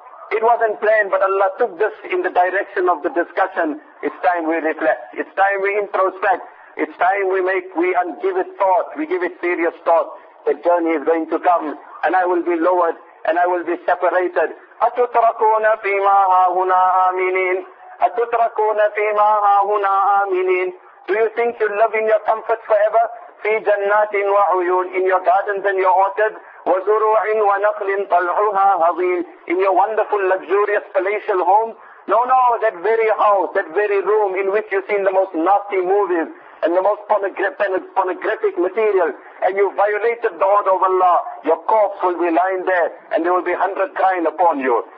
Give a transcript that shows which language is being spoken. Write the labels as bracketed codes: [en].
[en] It wasn't planned, but Allah took this in the direction of the discussion. It's time we reflect. It's time we introspect. It's time we give it thought. We give it serious thought. The journey is going to come, and I will be lowered, and I will be separated. [ar] أَتُتْرَكُونَ فِي مَا هَاهُنَا آمِنِينَ أَتُتْرَكُونَ فِي مَا هَاهُنَا آمِنِينَ. [en] Do you think you live in your comfort forever? [ar] فِي جَنَّاتٍ وَعُيُونَ. [en] In your gardens and your orchards. [ar] وَزُرُوعٍ وَنَخْلٍ طَلْعُهَا هَضِينَ. [en] In your wonderful, luxurious, palatial home. No, that very house, that very room in which you've seen the most nasty movies and the most pornographic material, and you violated the order of Allah, your corpse will be lying there, and there will be 100 crying upon you.